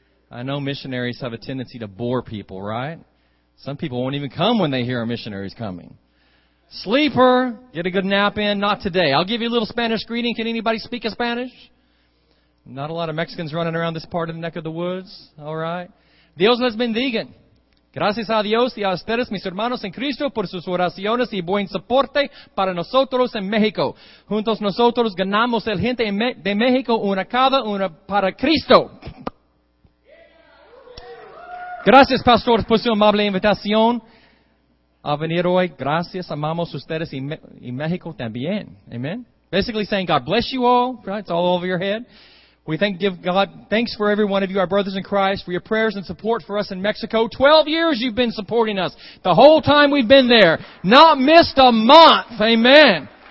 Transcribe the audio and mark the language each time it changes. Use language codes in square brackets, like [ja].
[en] I know missionaries have a tendency to bore people, right? Some people won't even come when they hear a missionary's coming. Sleeper, get a good nap in. Not today. I'll give you a little Spanish greeting. Can anybody speak a Spanish? Not a lot of Mexicans running around this part of the neck of the woods. All right. [es] Dios les bendiga. Gracias a Dios y a ustedes, mis hermanos en Cristo, por sus oraciones y buen soporte para nosotros en México. Juntos nosotros ganamos el gente de México una cada una para Cristo. Gracias, pastor, por su amable invitación a venir hoy. Gracias, amamos ustedes y México también. [en] Amen. Basically saying, God bless you all. Right? It's all over your head. We give God thanks for every one of you, our brothers in Christ, for your prayers and support for us in Mexico. 12 years you've been supporting us the whole time we've been there. Not missed a month. Amen.